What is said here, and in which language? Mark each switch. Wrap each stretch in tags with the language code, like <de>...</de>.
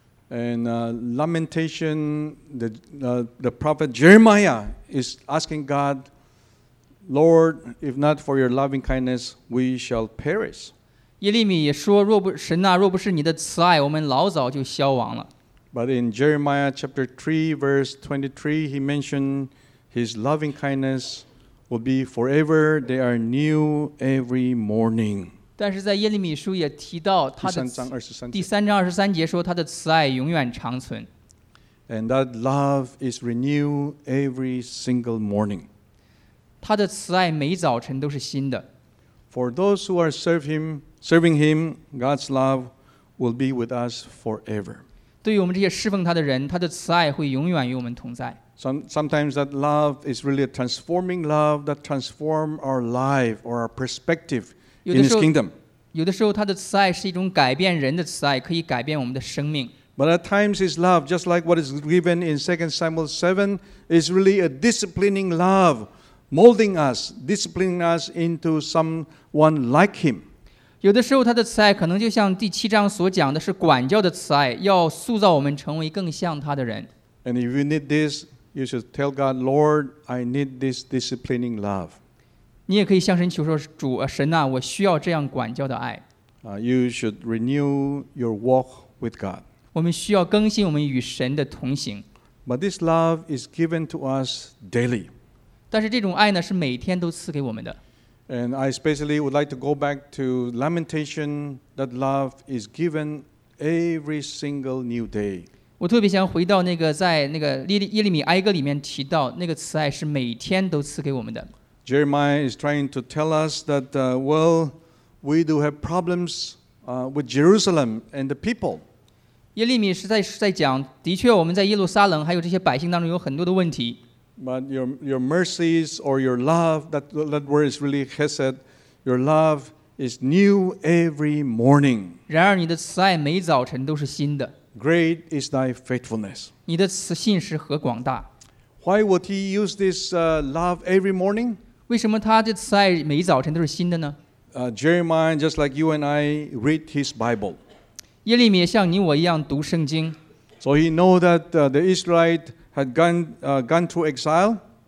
<en>And lamentation, the prophet Jeremiah is asking God, Lord, if not for your loving kindness, we shall perish.</en> <zh>耶利米也说：“若不神呐、啊，若不是你的慈爱，我们老早就消亡了。”</zh> <en>But in Jeremiah chapter 3, verse 23, he mentioned his loving kindness will be forever. They are new every morning.</en> <zh>但是在耶利米书也提到他的第三章二十三节说他的慈爱永远长存。</zh> <en>And that love is renewed every single morning.</en> <zh>他的慈爱每早晨都是新的。</zh> <en>For those who are serving him, God's love will be with us forever.</en> <zh>对于我们这些侍奉他的人，他的慈爱会永远与我们同在。</zh> <en>Sometimes that love is really a transforming love that transforms our life or our perspective. In his kingdom.</en> <zh>有的时候他的慈爱是一种改变人的慈爱，可以改变我们的生命。</zh> <en>But at times his love, just like what is given in 2 Samuel 7, is really a disciplining love, molding us, disciplining us into someone like him.</en> <zh>有的时候他的慈爱可能就像第七章所讲的是管教的慈爱，要塑造我们成为更像他的人。</zh> <en>And if you need this, you should tell God, Lord, I need this disciplining love.</en> <zh>你也可以向神求说主神啊我需要这样管教的爱。</zh> <en>You should renew your walk with God.</en> <zh>我们需要更新我们与神的同行。</zh> <en>But this love is given to us daily.</en> <zh>但是这种爱呢是每天都赐给我们的。</zh> <en>And I especially would like to go back to lamentation that love is given every single new day.</en> <zh>我特别想回到那个在那个耶利米哀歌里面提到那个慈爱是每天都赐给我们的。</zh> <en>Jeremiah is trying to tell us that, well, we do have problems with Jerusalem and the people.</en> <zh>耶利米是在讲，的确我们在耶路撒冷还有这些百姓当中有很多的问题。</zh> <en>But your mercies or your love, that word is really chesed, your love is new every morning.</en> <zh>然而你的慈爱每早晨都是新的。</zh> <en>Great is thy faithfulness.</en> <zh>你的慈信是何广大。</zh> <en>Why would he use this love every morning?</en> <zh>为什么他的赛每一早晨都是新的呢？</zh> <en>Jeremiah, just like you and I, read his Bible.</en> <zh>耶利米像你我一样读圣经。</zh> <en>So he know that the Israelites had gone to exile.</en>